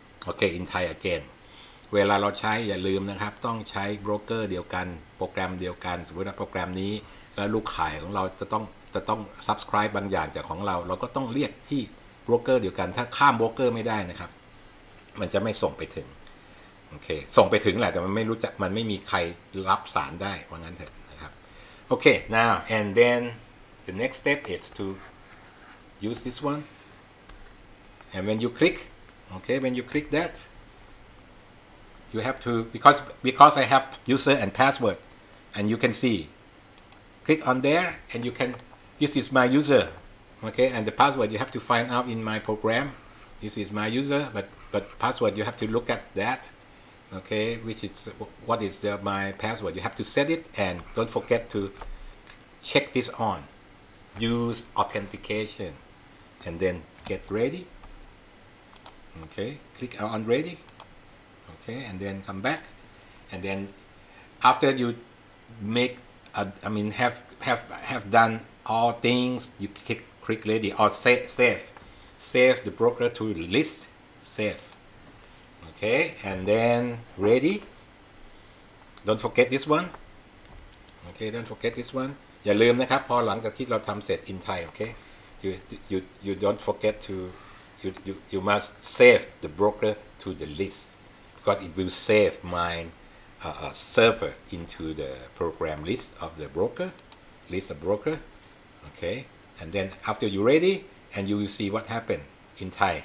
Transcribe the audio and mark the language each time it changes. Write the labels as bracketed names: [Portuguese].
[English] okay in Thai again [Thai] เวลาเราใช้อย่าลืมนะครับต้องใช้โบรกเกอร์เดียวกันโปรแกรมเดียวกันสมมติว่าโปรแกรมนี้แล้วลูกขายของเราจะต้อง subscribe บางอย่างจากของเราเราก็ต้องเรียกที่โบรกเกอร์เดียวกันถ้าข้ามโบรกเกอร์ไม่ได้นะครับมันจะไม่ส่งไปถึงโอเคส่งไปถึงแหละแต่มันไม่รู้จักมันไม่มีใครรับสารได้ว่างั้นเถอะ [English] Okay, now, and then the next step is to use this one. And when you click, okay, when you click that, you have to, because I have user and password, and you can see, click on there, and you can, this is my user, okay, and the password you have to find out in my program. This is my user, but password you have to look at that. Okay, which is what is the, my password? You have to set it and don't forget to check this on. Use authentication and then get ready. Okay, click on ready. Okay, and then come back. And then after you make, have done all things, you click ready or save. Save the broker to list, save. Okay, and then ready. Don't forget this one. Okay, don't forget this one. [Thai] อย่าลืมนะครับพอหลังจากที่เราทำเสร็จ [English] in Thai, okay? You don't forget to you must save the broker to the list because it will save my server into the program list of the broker, list of broker. Okay, and then after you ready, and you will see what happened in Thai.